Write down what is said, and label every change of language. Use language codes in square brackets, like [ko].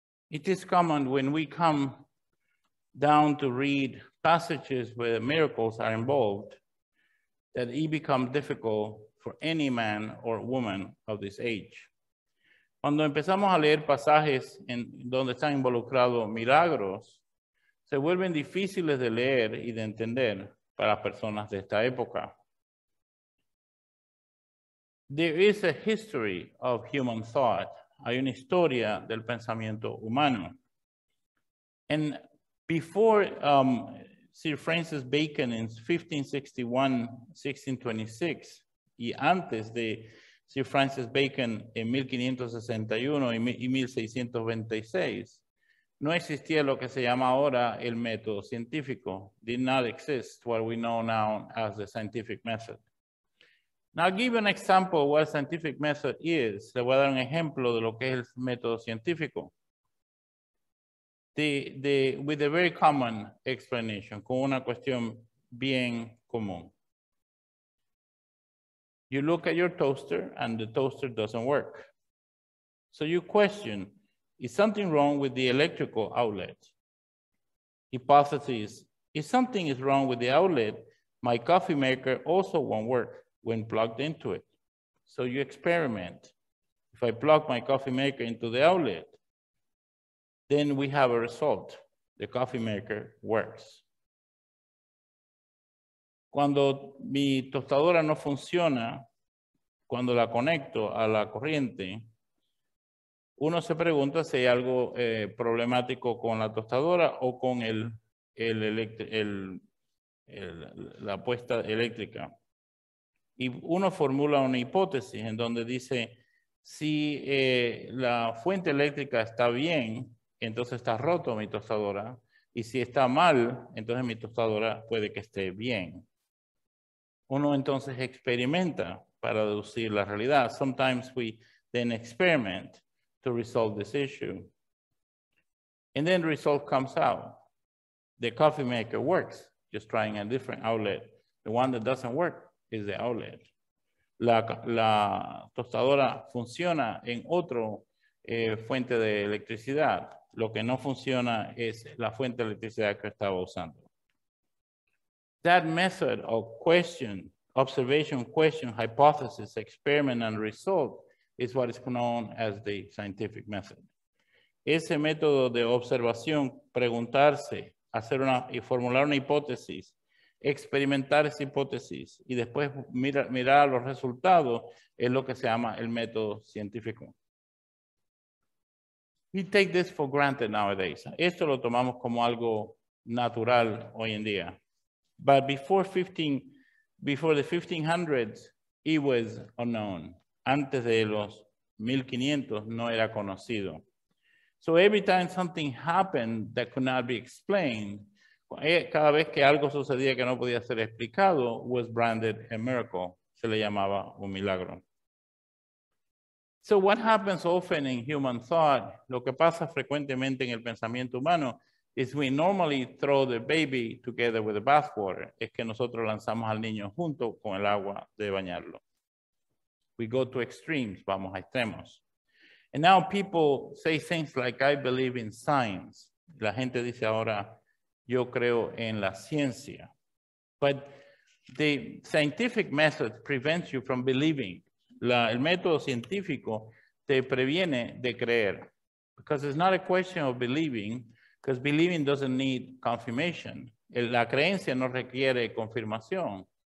[en] It is common when we come down to read passages where miracles are involved that it becomes difficult for any man or woman of this age. [es] Cuando empezamos a leer pasajes en donde están involucrados milagros, se vuelven difíciles de leer y de entender para personas de esta época. [en] There is a history of human thought. [es] Hay una historia del pensamiento humano. [en] And before Sir Francis Bacon in 1561-1626, [es] y antes de Sir Francis Bacon en 1561 y 1626, no existía lo que se llama ahora el método científico. [en] Did not exist what we know now as the scientific method. Now, I'll give you an example of what scientific method is. [es] Le voy a dar un ejemplo de lo que es el método científico. [en] With a very common explanation, [es] con una cuestión bien común. [en] You look at your toaster and the toaster doesn't work. So you question, is something wrong with the electrical outlet? Hypothesis, if something is wrong with the outlet, my coffee maker also won't work when plugged into it. So you experiment. If I plug my coffee maker into the outlet, then we have a result. The coffee maker works. [es] Cuando mi tostadora no funciona, cuando la conecto a la corriente, uno se pregunta si hay algo problemático con la tostadora o con la puesta eléctrica. Y uno formula una hipótesis en donde dice, si la fuente eléctrica está bien, entonces está roto mi tostadora. Y si está mal, entonces mi tostadora puede que esté bien. Uno entonces experimenta para deducir la realidad. [en] Sometimes we then experiment to resolve this issue. And then the result comes out. The coffee maker works, just trying a different outlet. The one that doesn't work is the outlet. [es] La tostadora funciona en otro fuente de electricidad. Lo que no funciona es la fuente de electricidad que estaba usando. [en] That method of question, observation, question, hypothesis, experiment, and result is what is known as the scientific method. [es] Ese método de observación, preguntarse, hacer una y formular una hipótesis, experimentar esa hipótesis y después mirar los resultados es lo que se llama el método científico. [en] We take this for granted nowadays. [es] Esto lo tomamos como algo natural hoy en día. [en] But before the 1500s, it was unknown. [es] Antes de los 1500, no era conocido. [en] So every time something happened that could not be explained, [es] cada vez que algo sucedía que no podía ser explicado, [en] was branded a miracle. [es] Se le llamaba un milagro. [en] So what happens often in human thought, [es] lo que pasa frecuentemente en el pensamiento humano, [en] is we normally throw the baby together with the bathwater. [es] Es que nosotros lanzamos al niño junto con el agua de bañarlo. [en] We go to extremes, [es] vamos a extremos. [en] And now people say things like, I believe in science. [es] La gente dice ahora, yo creo en la ciencia. [en] But the scientific method prevents you from believing. [es] El método científico te previene de creer. [en] Because it's not a question of believing. Because believing doesn't need confirmation. [es] La creencia no requiere confirmación.